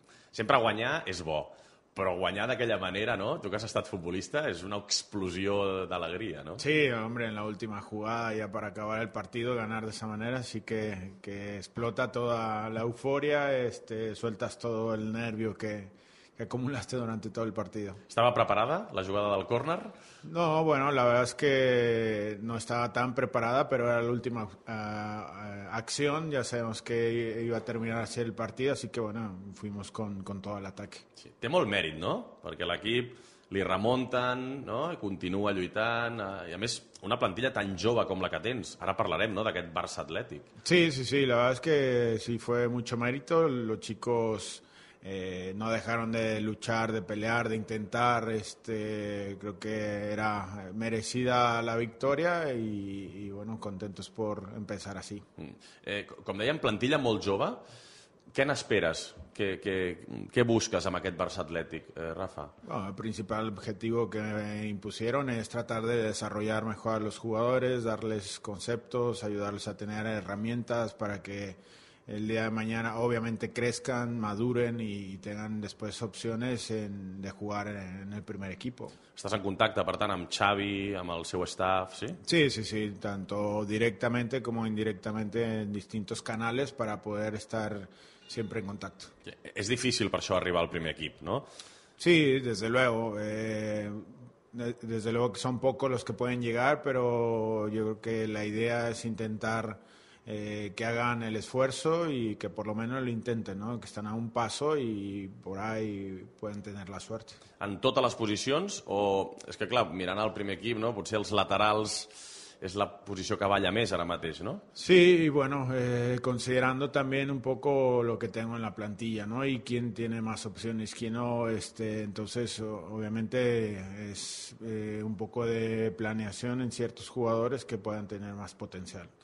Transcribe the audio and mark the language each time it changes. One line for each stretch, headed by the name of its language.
Catalan: Sempre guanyar és bo, però guanyar d'aquella manera, no? Tu que has estat futbolista, és una explosió d'alegria, no?
Spanish: Sí, hombre, en la última jugada ya para acabar el partido, ganar de esa manera, así que explota toda la euforia, sueltas todo el nervio que acumulaste durante todo el partido. ¿Estaba preparada la jugada del córner? No, bueno, la verdad es que no estaba tan preparada, pero era la última acción. Ya sabemos que iba a terminar así el partido, así que bueno, fuimos con todo el ataque.
Catalan: Sí. Té molt mèrit, no? Perquè l'equip li remonten, no? I continua lluitant. I a més, una plantilla tan jove com la que tens. Ara parlarem, no?, d'aquest Barça Atlètic.
Spanish: Sí, la verdad es que sí, fue mucho mérito. Los chicos no dejaron de luchar, de pelear, de intentar. Creo que era merecida la victoria y bueno, contentos por empezar así.
Catalan: Com dèiem, plantilla molt jove. Què n'esperes? Què busques amb aquest Barça Atlètic, Rafa?
Spanish: Bueno, el principal objetivo que me impusieron es tratar de desarrollar mejor a los jugadores, darles conceptos, ayudarles a tener herramientas para que el día de mañana obviamente crezcan, maduren y tengan después opciones de jugar en el primer equipo.
Catalan: Estàs en contacte, per tant, amb Xavi, amb el seu staff, sí?
Spanish: Sí, tanto directamente como indirectamente en distintos canales para poder estar siempre en contacto.
Catalan: És difícil per això arribar al primer equip, no?
Spanish: Sí, desde luego. Desde luego que son pocos los que pueden llegar, pero yo creo que la idea es intentar que hagan el esfuerzo y que por lo menos lo intenten, ¿no? Que están a un paso y por ahí pueden tener la suerte.
Catalan: En totes les posicions, o és que clar, mirant al primer equip, no? Potser els laterals és la posició que balla més ara mateix, no?
Spanish: Sí, y bueno, considerando también un poco lo que tengo en la plantilla, ¿no? Y quién tiene más opciones, quién no, entonces obviamente es un poco de planeación en ciertos jugadores que puedan tener más potencial.